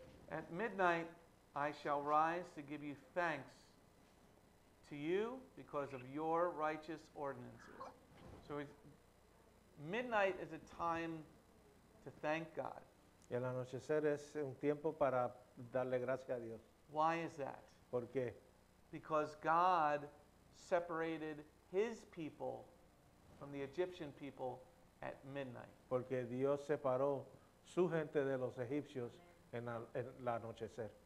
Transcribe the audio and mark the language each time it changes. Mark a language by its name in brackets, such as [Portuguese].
[English] At midnight I shall rise to give you thanks to you because of your righteous ordinances. So midnight is a time to thank God. [Spanish] El anochecer es un tiempo para darle gracias a Dios. [English] Why is that? [Spanish] ¿Por qué? [English] Because God separated his people from the Egyptian people at midnight. [Spanish] Porque Dios separó su gente de los egipcios en el anochecer.